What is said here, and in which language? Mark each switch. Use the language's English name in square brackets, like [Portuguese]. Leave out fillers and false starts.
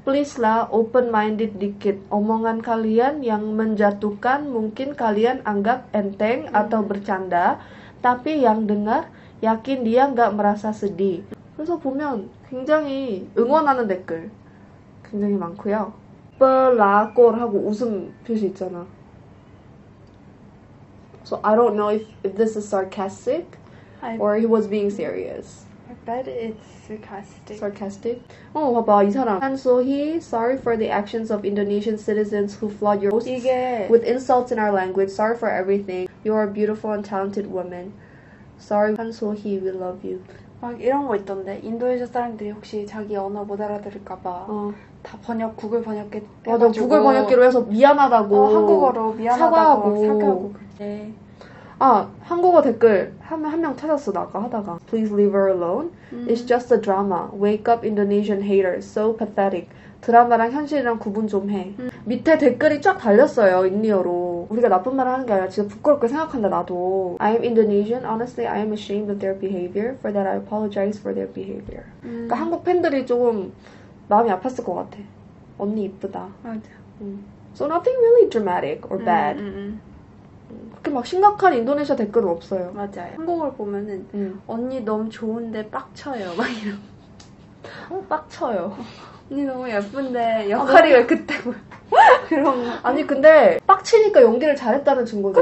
[Indonesian] Please lah, open-minded dikit. Omongan kalian yang menjatuhkan mungkin kalian anggap enteng atau bercanda, tapi yang dengar yakin dia nggak merasa sedih. [Korean] 그래서 보면 굉장히 응원하는 댓글 굉장히 많고요. Belakor 하고 웃음 표시 있잖아. [English] So I don't know if this is sarcastic or he was being serious. But it's sarcastic. [Korean] Sarcastic? Oh, 봐봐, 이 사람. [English] And so he, sorry for the actions of Indonesian citizens who flood your posts [Korean] 이게... [English] with insults in our language. Sorry for everything. You are a beautiful and talented woman. Sorry, and so he, we love you. [Korean] 막 이런 거 있던데, 인도네시아 사람들이 혹시 자기 언어 못 알아들을까봐 다 번역, 구글 번역기 해가지고 맞아, 구글 번역기로 해서 미안하다고 한국어로 미안하다고 사과하고 그래. 아, 한국어 댓글 한 명 찾았어, 나 아까 하다가. [English] Please leave her alone. It's just a drama. Wake up, Indonesian haters. So pathetic. [Korean] 드라마랑 현실이랑 구분 좀 해. 밑에 댓글이 쫙 달렸어요, 인리어로. 우리가 나쁜 말을 하는 게 아니라 진짜 부끄럽게 생각한다, 나도. [English] I am Indonesian. Honestly, I am ashamed of their behavior. For that, I apologize for their behavior. [Korean] 그러니까 한국 팬들이 조금 마음이 아팠을 것 같아. 언니 이쁘다. 맞아. [English] So nothing really dramatic or bad. [Korean] 그렇게 막 심각한 인도네시아 댓글은 없어요. 맞아요. 한국어를 보면은 언니 너무 좋은데 빡쳐요 막 이런. 빡쳐요. 언니 너무 예쁜데 역할이 왜 그때 그런 거. 아니 근데 빡치니까 연기를 잘했다는 증거죠.